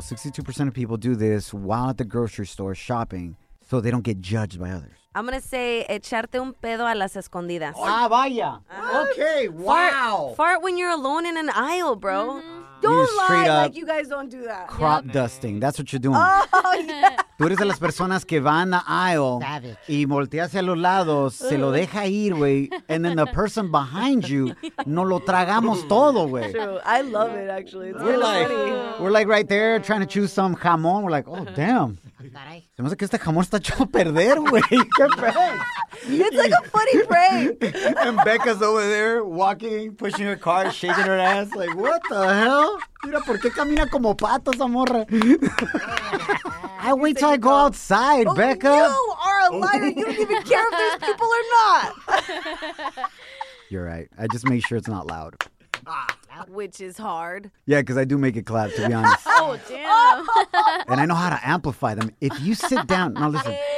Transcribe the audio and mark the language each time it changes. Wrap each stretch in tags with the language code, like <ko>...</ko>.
<en>62% of people do this while at the grocery store shopping so they don't get judged by others. I'm going to say</en> <es>echarte un pedo a las escondidas.</es> <en>Oh. Ah, vaya. What? Okay, wow. Fart when you're alone in an aisle, bro. Mm-hmm. Don't lie like you guys don't do that. Crop dusting. That's what you're doing. Oh, yeah.</en> <es>Tú eres de las personas que van a aisle</es> <en>Savage.</en> <es>Y voltea hacia los lados, se lo deja ir, güey.</es> <en>And then the person behind you,</en> <es>no lo tragamos todo, güey.</es> <en>True. I love it, actually. It's we're really like, funny. We're like right there trying to choose some jamón. We're like, oh, damn.</en> <es>Se me hace que este jamón está hecho a perder, güey. ¿Qué prank?</es> <en>It's like a funny prank. And Becca's over there walking, pushing her car, shaking her ass. Like, what the hell?</en> <es>Mira, ¿por qué camina como pato esa morra?</es> <en>I wait till I go outside, oh, Becca. You are a liar. You don't even care if there's people or not. You're right. I just make sure it's not loud. Which is hard. Yeah, because I do make it clap, to be honest. Oh, damn. And I know how to amplify them. If you sit down. Now, listen.</en>